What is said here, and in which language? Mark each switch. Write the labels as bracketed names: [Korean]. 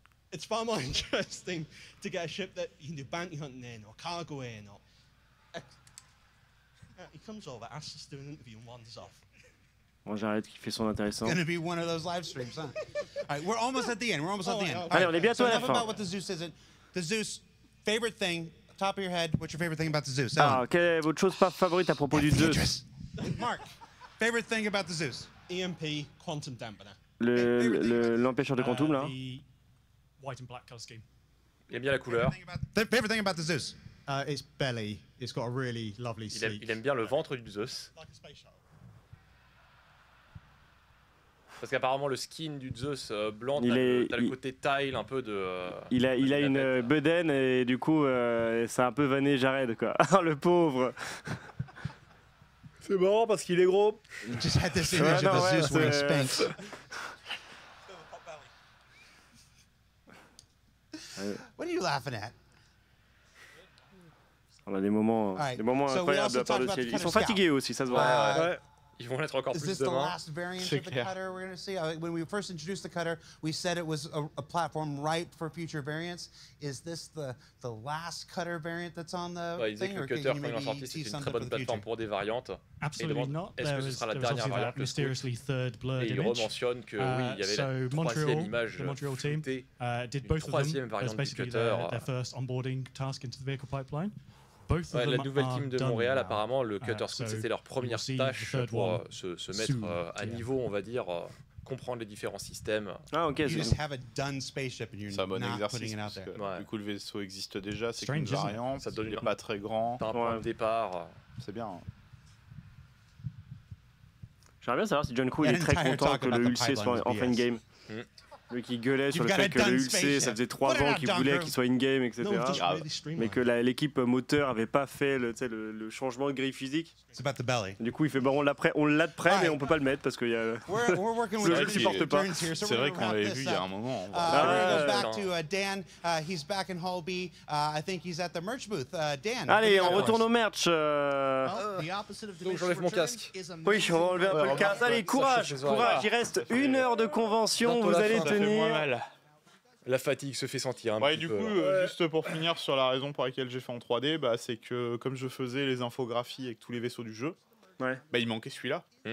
[English] It's far more interesting to get a ship that you can do bounty hunting in or cargo in or... He comes over, asks us to do an interview, and wanders off. [French] Bon, j'arrête, qu'il fait son intéressant. [English] Gonna be one of those live streams, huh? All right, we're almost at the end. [French] Allez, on est bientôt à la fin. [English] Enough about what the Zeus isn't. The Zeus favorite thing, top of your head. What's your favorite thing about the Zeus? [French] Ah, quelle est votre chose favorite à propos du Zeus? [English] Mark, favorite thing about the Zeus? EMP, quantum dampener. [French] L'empêcheur de quantum, là. [English] The white and black color scheme. [French] Il aime bien la couleur. [English] Favorite thing about the Zeus? It's belly. It's got a really lovely sleek. [French] Il aime bien le ventre du Zeus. Parce qu'apparemment le skin du Zeus blanc, t'as le côté tile un peu de... Il a une bedaine et du coup c'est un peu vanné Jared, quoi. Le pauvre. C'est marrant parce qu'il est gros. [English] Just had this image of the Zeus wearing spanks. What are you laughing at? [French] On a des moments, des moments incroyables à part le ciel. Ils sont fatigués aussi, ça se voit. Ils vont l'être encore plus demain. [English] Is this the last variant of the cutter we're going to see? When we first introduced the cutter, we said it was a platform ripe for future variants. Is this the last cutter variant that's on the thing? Or can you maybe see some of the future [French] pour des variantes? [English] Absolutely not. There was obviously that mysteriously third blurred image. [French] Et ils mentionnent que oui, il y avait la troisième image. [English] The Montreal team did both of them. That's basically their first onboarding task into the vehicle pipeline. [French] Ouais, la nouvelle team de Montréal, apparemment, le Cutter Scout, c'était leur première tâche pour se mettre à niveau, on va dire, comprendre les différents systèmes. Ah, ok, c'est ça. C'est un bon exercice. Du coup, le vaisseau existe déjà, c'est une variante, ça donne pas très grand. Par rapport au départ, c'est bien. J'aimerais bien savoir si John Crew est très content que le ULC soit en fin de game. Lui qui gueulait sur le fait que le ULC, ça faisait 3 ans qu'il voulait qu'il soit in-game, etc. Mais que l'équipe moteur n'avait pas fait le changement de grille physique. Du coup, il fait, on l'a de près, mais on ne peut pas le mettre parce qu'il y a le jeu qui ne supporte pas. C'est vrai qu'on l'avait vu il y a un moment. [English] Dan, he's back in Hall B. I think he's at the merch booth. Dan. [French] Allez, on retourne au merch. Donc, j'enlève mon casque. Oui, on va enlever un peu le casque. Allez, courage, courage. Il reste une heure de convention. Vous allez ça fait moins mal. La fatigue se fait sentir un Petit peu. Du coup, juste pour finir sur la raison pour laquelle j'ai fait en 3D, c'est que comme je faisais les infographies avec tous les vaisseaux du jeu, il manquait celui-là.